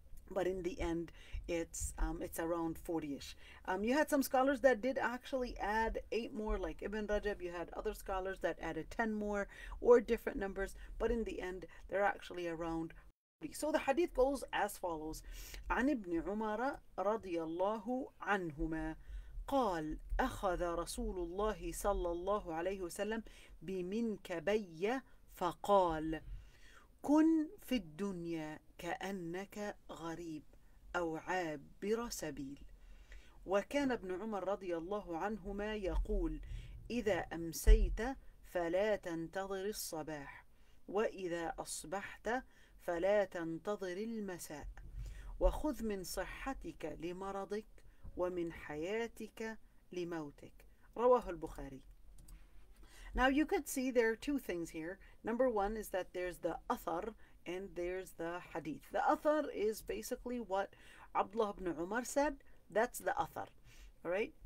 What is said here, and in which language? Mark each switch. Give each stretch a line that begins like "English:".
English: But in the end, it's around 40-ish. You had some scholars that did actually add 8 more, like Ibn Rajab. You had other scholars that added 10 more or different numbers. But in the end, they're actually around 40. So the hadith goes as follows.
Arabic: عن ابن عمر رضي الله عنهما قال أخذ رسول الله صلى الله عليه وسلم بمنكبي فقال كن في الدنيا كأنك غريب أو عابر سبيل. وكان ابن عمر رضي الله عنهما يقول إذا أمسيت فلا تنتظر الصباح وإذا أصبحت فلا تنتظر المساء وخذ من صحتك لمرضك ومن حياتك لموتك. رواه البخاري.
English: Now you could see there are two things here. Number one is that there's the athar and there's the hadith. The athar is basically what Abdullah ibn Umar said. That's the athar. Alright?